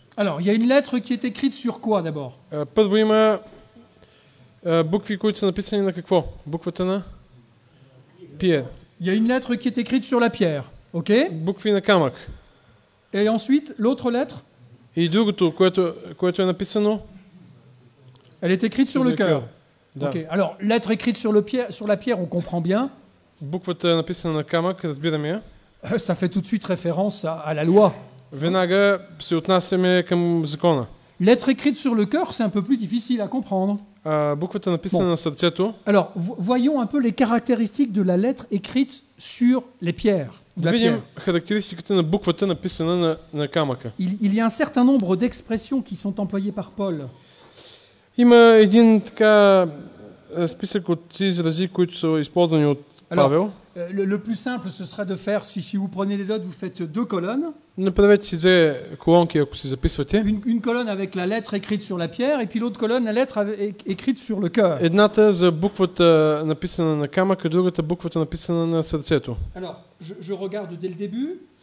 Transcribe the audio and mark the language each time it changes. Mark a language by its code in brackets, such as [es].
[fr] Alors, il y a une lettre qui est écrite sur quoi d'abord? [bg] Първо има букви, които са написани на какво? Буквата на [fr] pierre. Il y a une lettre qui est écrite sur la pierre. OK? [bg] Букви на камък. [fr] Et ensuite, l'autre lettre? [bg] И другото, което е написано? [fr] Elle est écrite sur le cœur. OK. Alors, lettre écrite sur le pierre, sur la pierre, on comprend bien. [bg] Буквата написана на камък, разбираме я. [fr] Ça fait tout de suite référence à la loi. [bg] Веднага се отнасяме към закона. [fr] Lettre écrite sur le cœur, c'est un peu plus difficile à comprendre. [bg] Буквата написана на сърцето. [fr] Alors, voyons un peu les caractéristiques de la lettre écrite sur les pierres. [bg] Да видим характеристиката на буквата написана на камъка. [fr] Il y a un certain nombre d'expressions qui sont employées par Paul. [bg] Има един така списък от изрази, които са използвани от Павел. [fr] Le plus simple, ce serait de faire, si vous prenez les notes, vous faites deux colonnes. [bg] Не правете си две колонки, ако си записвате. [fr] Une colonne avec la lettre écrite sur la pierre, et puis l'autre colonne, la lettre écrite sur le cœur. [bg] Едната за буквата написана на камък, другата буквата написана на сърцето. [fr] Alors, je regarde dès le début.